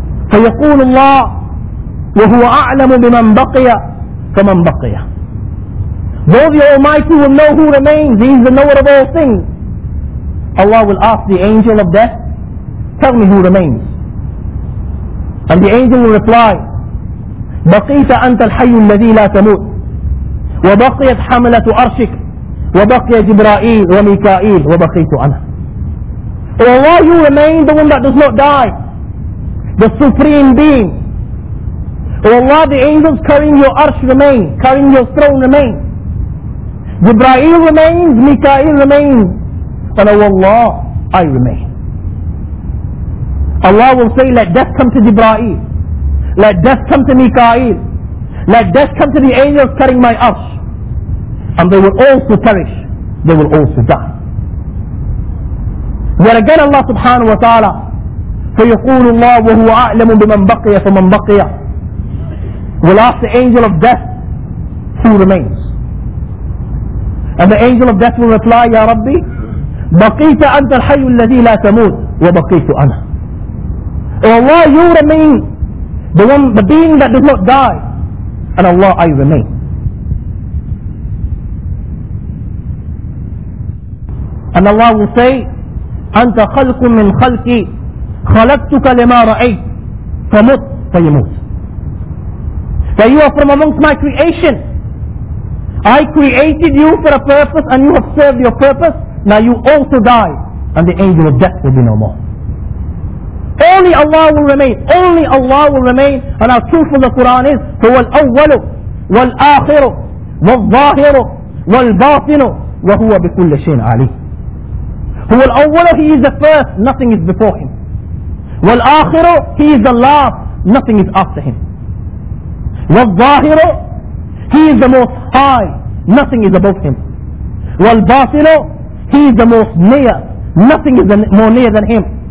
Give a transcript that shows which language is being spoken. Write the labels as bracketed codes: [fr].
[ar] فَيَقُولُ اللَّهُ وَهُوَ أَعْلَمُ بِمَنْ بَقِيَ فَمَنْ بَقِيَ. [en] Though the Almighty will know who remains, He is the knower of all things. Allah will ask the angel of death, tell me who remains. And the angel will reply, [ar] بَقِيْتَ أَنْتَ الْحَيُّ الَّذِي لَا تَمُوتُ وَبَقِيَتْ حَمَلَةُ أَرْشِكُ وَبَقِيَ جِبْرَائِيلُ وَمِيكَائِيلُ وَبَقِيْتُ أَنَا. [en] Oh Allah, you remain the one that does not die, the supreme being. Oh Allah, the angels carrying your arsh remain, carrying your throne remain. Jibra'il remains, Mika'il remains, and oh Allah, I remain. Allah will say, let death come to Jibra'il, let death come to Mika'il, let death come to the angels carrying my arsh, and they will also perish, they will also die. Yet again Allah subhanahu wa ta'ala, [ar] فَيَقُولُ اللَّهُ وَهُوَ أَعْلَمُ بِمَنْ بَقِيَ فَمَنْ بَقِيَ, [en] will ask the angel of death who remains. And the angel of death will reply, [ar] يَا رَبِّي بَقِيْتَ أَنْتَ الْحَيُّ الَّذِي لَا تَمُوتُ وَبَقِيْتُ أَنَا. [en] Oh Allah, you remain the one, the being that does not die, and Allah, I remain. And Allah will say, [ar] أَنْتَ خَلْقٌ مِّنْ خَلْقِي خَلَقْتُكَ لِمَا رَأَيْتُ فَمُتْ فَيَمُوتُ. [en] That you are from amongst my creation. I created you for a purpose and you have served your purpose. Now you also die and the angel of death will be no more. Only Allah will remain. Only Allah will remain. And our truth from the Quran is, [ar] هُوَ الْأَوَّلُ وَالْآخِرُ وَالظَّاهِرُ وَالْبَاطِنُ وَهُوَ بِكُلَّ شَيْءٍ عَلِيمٌ. هو الأول, [en] he is the first, nothing is before him. [ar] والآخر, [en] he is the last, nothing is after him. [ar] والظاهر, [en] he is the most high, nothing is above him. [ar] والباطن, [en] he is the most near, nothing is more near than him.